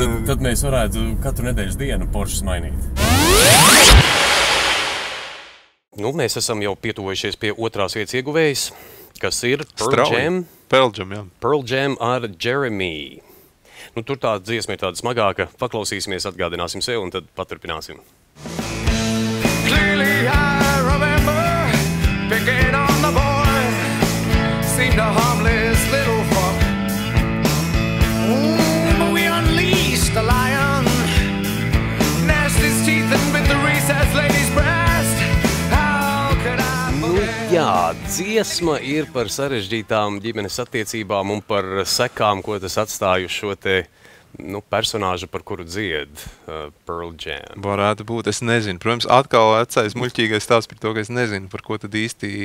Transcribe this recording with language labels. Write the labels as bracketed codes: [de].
[lv] Tad mēs varētu katru nedēļas dienu Porsches mainīt. Mēs esam jau pietuvojušies pie otrās vietas ieguvējas, kas ir Pearl Jam ar Jeremy. Tur tā dziesma ir tāda smagāka. Paklausīsimies, atgādināsim sev un tad paturpināsim. [en] Clearly I remember picking on the boy, seemed a harmless little fuck. But we unleashed the lion, gnashed his teeth and bit the recess lady's breast. How could I forget? [lv] Jā, dziesma ir par sarežģītām ģimenes attiecībām un par sekām, ko tas atstāju šo te... personāža, par kuru dzied Pearl Jam. Varētu būt, es nezinu. Protams, atkal atsais muļķīgais stāsts par to, ka es nezinu, par ko tad īsti...